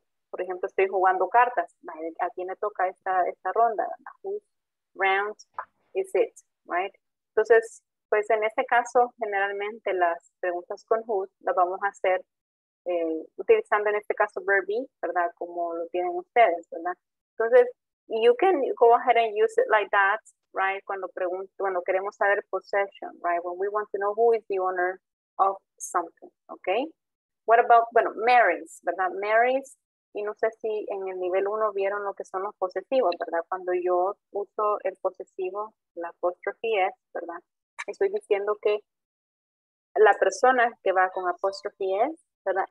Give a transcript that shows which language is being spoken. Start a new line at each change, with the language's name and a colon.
Spanish: Por ejemplo, estoy jugando cartas. ¿A quién le toca esta ronda?
English: Whose round is it? Right?
Spanish: Entonces, pues en este caso, generalmente las preguntas con whose las vamos a hacer utilizando en este caso verb be, ¿verdad? Como lo tienen ustedes, ¿verdad? Entonces,
English: you can go ahead and use it like that, right?
Spanish: Cuando queremos saber
English: possession, right? When we want to know who is the owner of something, okay? What about,
Spanish: bueno,
English: Mary's,
Spanish: ¿verdad? Mary's, y no sé si en el nivel 1 vieron lo que son los posesivos, ¿verdad? Cuando yo uso el posesivo, la apostrofe es, ¿verdad? Estoy diciendo que la persona que va con apostrofe es, ¿verdad?